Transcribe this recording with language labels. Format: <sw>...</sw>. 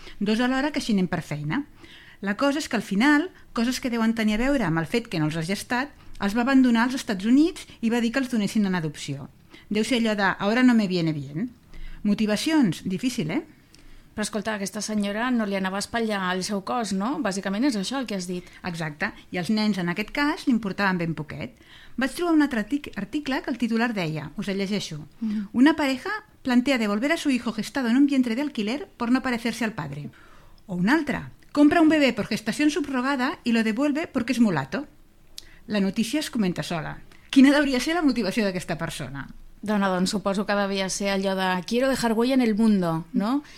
<ca>Dos alhora que així anem per feina. La cosa és que, al final, coses que deuen tenir a veure amb el fet que no els ha gestat, els va abandonar als Estats Units i va dir que els donessin en adopció. Deu ser allò de</ca> <es>«ahora no me viene bien».</es> <ca>Motivacions? Difícil, eh? Però escolta, aquesta senyora no li anava a espatllar el seu cos, no? Bàsicament és això el que has dit. Exacte, i els nens en aquest cas li importaven ben poquet. Vaig trobar un altre article que el titular deia, us el llegeixo.</ca> <es>Una pareja plantea devolver a su hijo gestado en un vientre de alquiler por no parecerse al padre.</es> <ca>O un altre,</ca> <es>compra un bebé por gestación subrogada y lo devuelve porque es mulato.</es> <ca>La notícia es comenta sola. Quina devia ser la motivació d'aquesta persona? Dona, doncs suposo que devia ser allò de</ca> <es>«quiero dejar huella en el mundo»,</es> <ca>no?</ca>